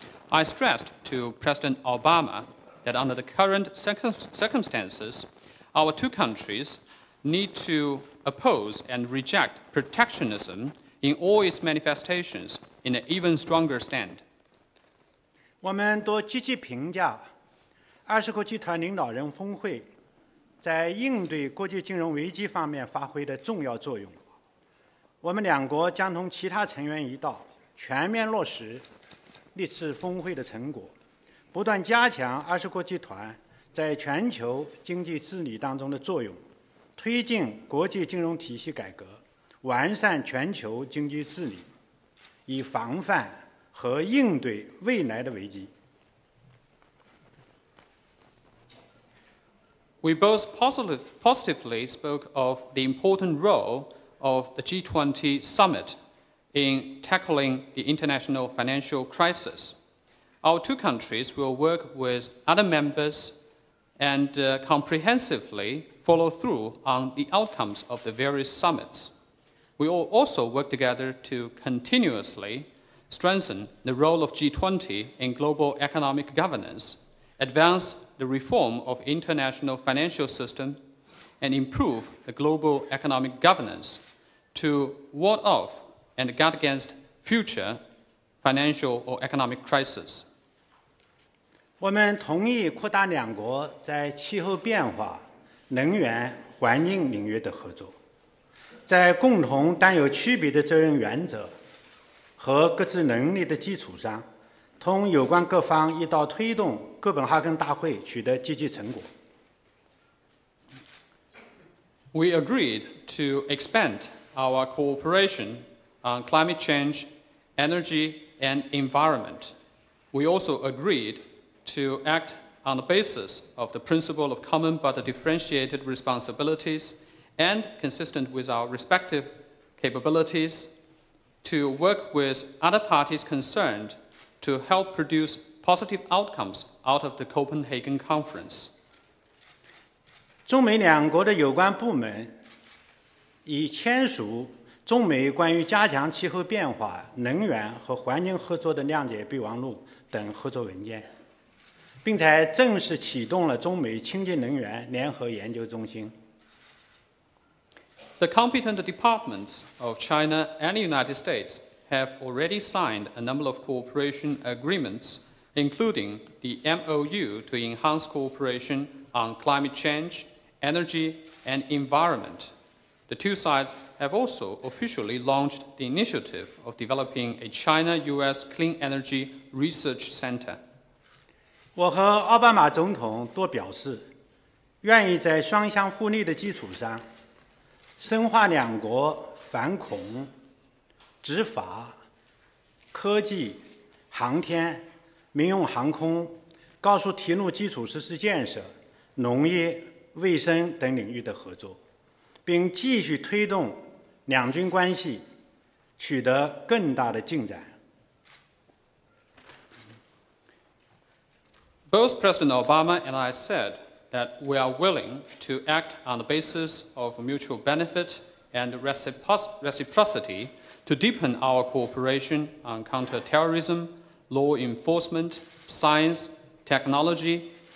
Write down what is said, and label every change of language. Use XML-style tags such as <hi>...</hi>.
<en>I stressed to President Obama that under the current circumstances, our two countries need to oppose and reject protectionism in all its manifestations in an even stronger stand.</en> <zh>我们都积极评价二十国集团领导人峰会在应对国际金融危机方面发挥的重要作用。我们两国将同其他成员一道全面落实历次峰会的成果，不断加强二十国集团在全球经济治理当中的作用，推进国际金融体系改革，完善全球经济治理，以防范和应对未来的危机。</zh> <en>We both positively spoke of the important role of the G20 summit in tackling the international financial crisis. Our two countries will work with other members and comprehensively follow through on the outcomes of the various summits. We will also work together to continuously strengthen the role of G20 in global economic governance, advance the reform of international financial system, and improve the global economic governance to ward off and guard against future financial or economic crisis.</en> <zh>我们同意扩大两国在气候变化、能源、环境领域的合作，在共同但有区别的责任原则和各自能力的基础上，同有关各方一道推动哥本哈根大会取得积极成果。</zh> <en>We agreed to expand our cooperation on climate change, energy, and environment. We also agreed to act on the basis of the principle of common but differentiated responsibilities and consistent with our respective capabilities to work with other parties concerned to help produce positive outcomes out of the Copenhagen Conference.</en> <zh>中美两国的有关部门已签署中美关于加强气候变化、能源和环境合作的谅解备忘录等合作文件，并且正式启动了中美清洁能源联合研究中心。</zh> <en>The competent departments of China and the United States have already signed a number of cooperation agreements, including the MOU to enhance cooperation on climate change, energy, and environment. The two sides have also officially launched the initiative of developing a China-US Clean Energy Research Center.</en> <zh>我和奥巴马总统都表示，愿意在双向互利的基础上深化两国反恐、执法、科技、航天、民用航空、高速铁路基础设施建设、农业、卫生等领域的合作，并继续推动两军关系取得更大的进展。</zh> <en>Both President Obama and I said that we are willing to act on the basis of mutual benefit and reciprocity to deepen our cooperation on counterterrorism, law enforcement, science, technology,</en>